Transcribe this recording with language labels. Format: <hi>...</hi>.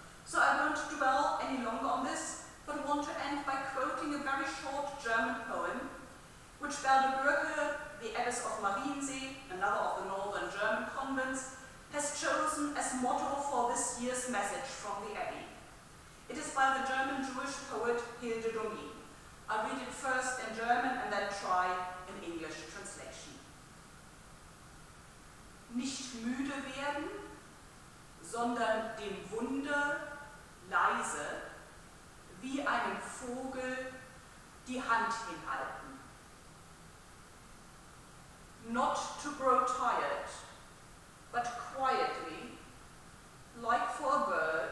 <en>So I won't dwell any longer on this, but want to end by quoting a very short German poem, which Bärbel Bürger, the abbess of Mariensee, another of the northern German convents, has chosen as motto for this year's message from the Abbey. It is by the German Jewish poet Hilde Domin. I read it first in German and then try an English translation.</en> <de>Nicht müde werden, sondern dem Wunder leise, wie einem Vogel die Hand hinhalten.</de> <en>Not to grow tired, but quietly, like for a bird,</en>